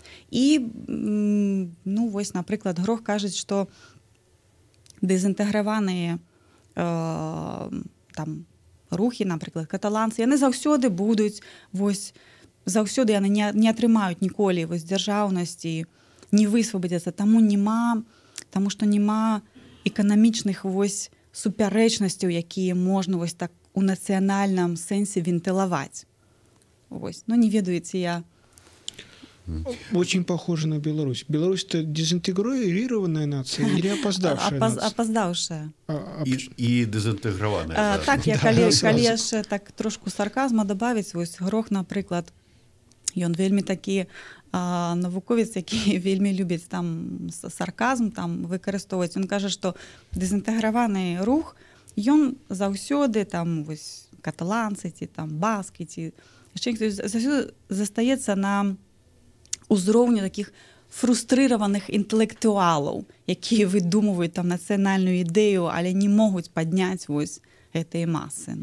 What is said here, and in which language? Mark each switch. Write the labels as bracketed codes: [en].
[be] І, ну, вось, напрыклад, Грох кажуць, што дэзінтэграваныя там рухі, напрыклад, каталанцы, яны заўсёды будуць, вось, заўсёды яны не атрымаюць ніколі вось дзяржаўнасці, не высвабадзяцца, таму што няма эканамічных вось супярэчнасцяў, якія можна вось так у нацыянальным сэнсе вентылаваць. Вось. Ну, не ведаеце, я... [ru] Очень похожа на Беларусь. Беларусь — это дезинтегрированная нация или опоздавшая нация? Опоздавшая. И дезинтегрованная. [be] Так, я калі яшчэ так трошку сарказма добавіць, вось Грох, напрыклад, ён вельмі такі навуковец, які вельмі любіць там сарказм там выкарыстоўваць. Ён кажа, што дэзінтэграваны рух, ён заўсёды там вось каталанцы ці там баскі ці яшчэ заўсёды застаецца на ўзроўні такіх фрустрыраваных інтэлектуалаў, якія выдумваюць там нацыянальную ідэю, але не могуць падняць вось гэтыя масы.